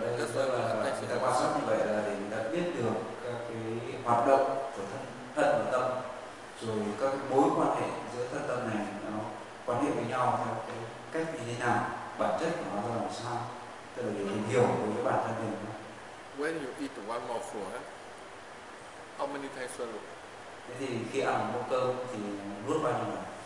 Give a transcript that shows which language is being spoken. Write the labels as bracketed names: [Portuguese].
[English] đây, that's why we attention. [Vietnamese] Quan sát như vậy là để mình đã biết được các cái hoạt động của thân và tâm, rồi các mối quan hệ giữa thân tâm này nó quan hệ với nhau theo cái cách như thế nào, bản chất của nó ra làm sao. Tức là để mình hiểu đối với bản thân mình. [English] When you eat one more food, how many times swallow? [Vietnamese] Thế thì khi ăn một cơm thì nuốt bao nhiêu lần?